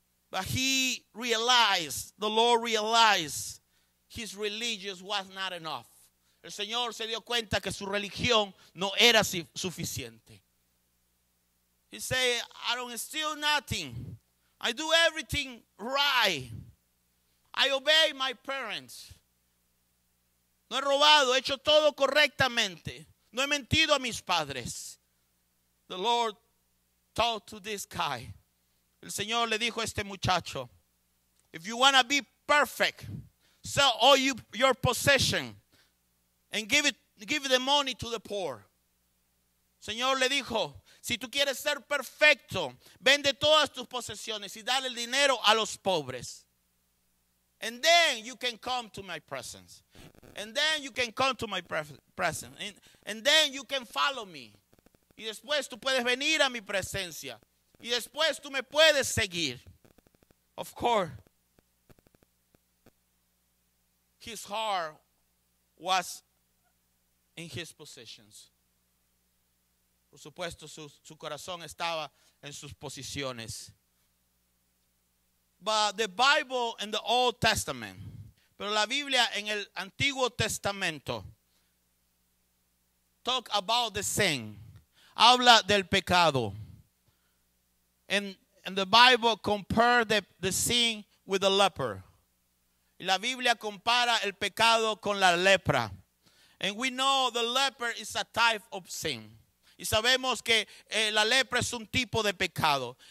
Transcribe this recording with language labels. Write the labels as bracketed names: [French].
[English] But he realized, the Lord realized his religion was not enough. [Spanish] El Señor se dio cuenta que su religión no era suficiente. [English] He said, I don't steal nothing. I do everything right. I obey my parents. [Spanish] No he robado, he hecho todo correctamente. No he mentido a mis padres. [English] The Lord talked to this guy. [Spanish] El Señor le dijo a este muchacho, [English] if you want to be perfect, sell all your possession and give the money to the poor. [Spanish] Señor le dijo, si tú quieres ser perfecto, vende todas tus posesiones y dale el dinero a los pobres. [English] And then you can come to my presence. And then you can come to my presence. And then you can follow me. [Spanish] Y después tú puedes venir a mi presencia. Y después tú me puedes seguir. [English] Of course, his heart was in his possessions. [Spanish] Por supuesto, su corazón estaba en sus posiciones. [English] But the Bible in the Old Testament, [Spanish] pero la Biblia en el Antiguo Testamento, [English] talk about the sin, [Spanish] habla del pecado. [English] And the Bible compares the sin with the leper. [Spanish] La Biblia compara el pecado con la lepra. [English] And we know the leper is a type of sin. [Spanish] Y sabemos que la lepra es un tipo de pecado.